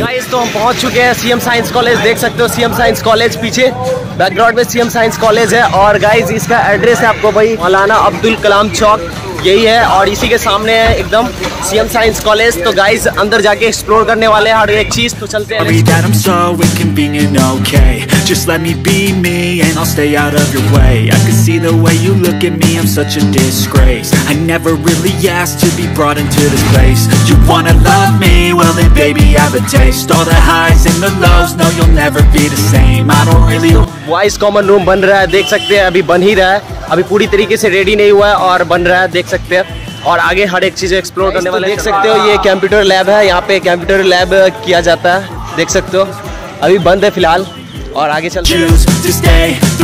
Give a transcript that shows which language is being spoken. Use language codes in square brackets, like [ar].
[hi] तो हम पहुंच चुके हैं सीएम साइंस कॉलेज, देख सकते हो सीएम साइंस कॉलेज पीछे बैकग्राउंड में सीएम साइंस कॉलेज है। और गाइज इसका एड्रेस है आपको भाई मौलाना अब्दुल कलाम चौक, यही है और इसी के सामने है एकदम सीएम साइंस कॉलेज। तो गाइज अंदर जाके एक्सप्लोर करने वाले हैं हर एक चीज। तो चलते हैं। [en] Just let me be me and I'll stay out of your way. I can see the way you look at me, I'm such a disgrace. I never really asked to be brought into this place. You wanna love me, well then baby have a taste. All the highs and the lows, no you'll never be the same. I don't really... [hi] Voice common room बन रहा है, देख सकते हैं अभी बन ही रहा है, अभी पूरी तरीके से रेडी नहीं हुआ है और बन रहा है, देख सकते हैं। और आगे हर एक चीज एक्सप्लोर करने वाले, देख सकते हो ये कंप्यूटर लैब है, यहाँ पे कंप्यूटर लैब किया जाता है, देख सकते हो अभी बंद है फिलहाल और आगे चलते हैं।